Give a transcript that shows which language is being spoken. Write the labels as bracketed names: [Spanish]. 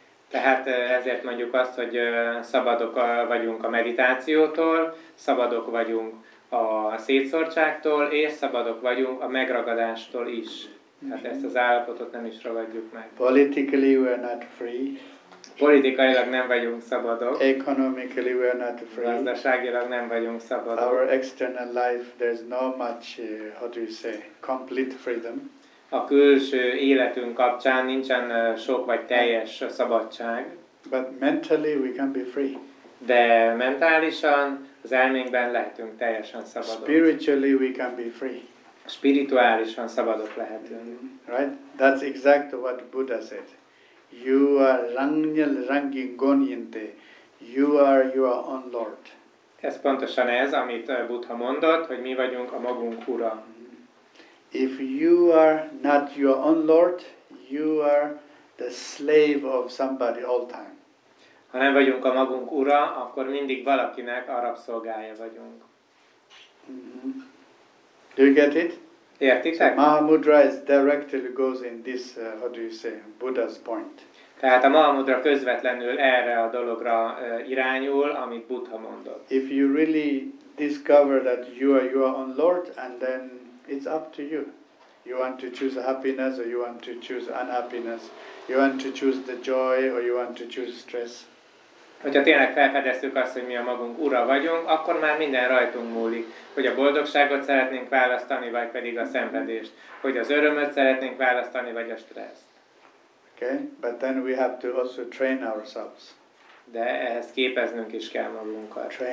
[Hungarian] Tehát ezért mondjuk azt, hogy szabadok vagyunk a meditációtól, szabadok vagyunk a szétszórtságtól, és szabadok vagyunk a megragadástól is. Tehát ezt az állapotot nem is ragadjuk meg. [English] Politically we are not free. [Hungarian] Politikailag nem vagyunk szabadok. [English] Economically we are not free. [Hungarian] Gazdaságilag nem vagyunk szabadok. [English] Our external life, there's no much, how do you say, complete freedom. [Hungarian] A külső életünk kapcsán nincsen sok vagy teljes szabadság. [English] But mentally we can be free. [Hungarian] De mentálisan, az elménkben lehetünk teljesen szabadok. [English] Spiritually we can be free. [Hungarian] Spirituálisan szabadok lehetünk. [English] Right? That's exactly what Buddha said. You are [Tibetan] rangnyel rangin gonyinte. [English] You are your own lord. [Hungarian] Ez pontosan ez, amit Buddha mondott, hogy mi vagyunk a magunk ura. [English] If you are not your own lord, you are the slave of somebody all time. [Hungarian] ha nem vagyunk a magunk ura, akkor mindig valakinek a rabszolgája vagyunk. [English] Do you get it? [Hungarian] Értitek? [English] So, Mahamudra is directly goes in this, how do you say, Buddha's point. [Hungarian] Tehát a Mahamudra közvetlenül erre a dologra irányul, amit Buddha mondott. [English] If you really discover that you are on Lord, and then it's up to you. You want to choose happiness or you want to choose unhappiness. You want to choose the joy or you want to choose stress. [Hungarian] Hogyha tényleg felfedeztük azt, hogy mi a magunk ura vagyunk, akkor már minden rajtunk múlik, hogy a boldogságot szeretnénk választani, vagy pedig a szenvedést, hogy az örömöt szeretnénk választani, vagy a stresszt. [English] Okay, but then we have to also train ourselves. [Hungarian] De ehhez képeznünk is kell magunkat.